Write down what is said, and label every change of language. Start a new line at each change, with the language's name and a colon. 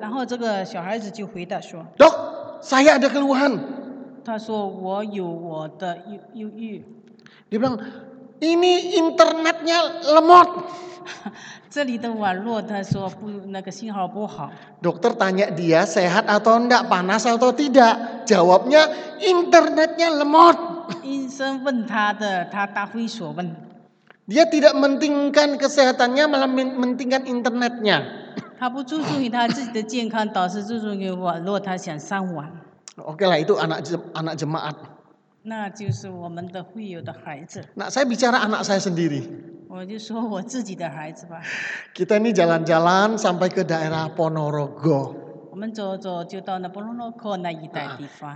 Chinese: 然后这个小孩子就回答说。
Indonesian: Dok, saya ada keluhan.
Chinese: 他说我有我的忧郁。
Indonesian: Dia bilang, Ini internetnya lemot.
Chinese: 这里的网络他说不，那个信号不好。
Indonesian: Dokter tanya dia sehat atau enggak, panas atau tidak. Jawabnya internetnya lemot.
Chinese: 医生问他的，他答非所问。
Indonesian: Dia tidak mementingkan kesehatannya, malah mementingkan internetnya.
Chinese: 他不注重于他自己的健康，倒是注重于网络，他想上网。
Indonesian: Oke lah, itu anak jemaat.
Chinese: 那就是我们的会友的孩子。
Indonesian: Nah, saya bicara anak saya sendiri.
Chinese: 我就说我自己的孩子吧。
Indonesian: Kita ini jalan-jalan sampai ke daerah Ponorogo.
Chinese: 我们走走就到那Ponorogo那一带地方。